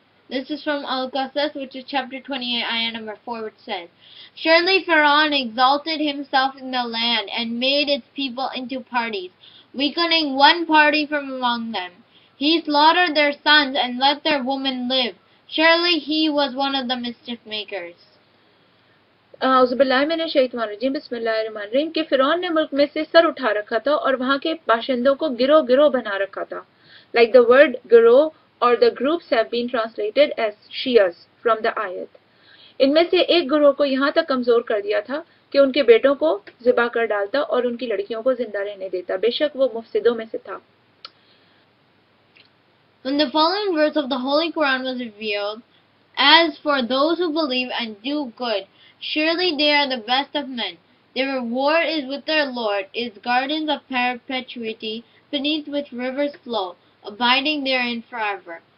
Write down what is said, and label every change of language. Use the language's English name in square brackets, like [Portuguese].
[English] This is from Al-Qasas, which is chapter 28, ayah number 4, which says, Surely Pharaoh exalted himself in the land and made its people into parties, weakening one party from among them. He slaughtered their sons and let their women live. Surely he was one of the mischief makers. [Arabic] اعوذ بالله من الشیطان الرجیم بسم اللہ الرحمن الرحیم [Urdu] کہ فرعون نے ملک میں سے سر اٹھا رکھا تھا اور وہاں کے باشندوں کو گروہ گروہ بنا رکھا تھا [English] like the word گروہ or the groups have been translated as shias from the ayat [Urdu] ان میں سے ایک گروہ کو یہاں تک کمزور کر دیا تھا کہ ان کے بیٹوں کو ذبح کر ڈالتا اور ان کی لڑکیوں کو زندہ رہنے دیتا بے شک وہ مفسدوں میں سے تھا [English] When the following verse of the Holy Quran was revealed, As for those who believe and do good, surely they are the best of men. Their reward is with their Lord, is gardens of perpetuity, beneath which rivers flow, abiding therein forever.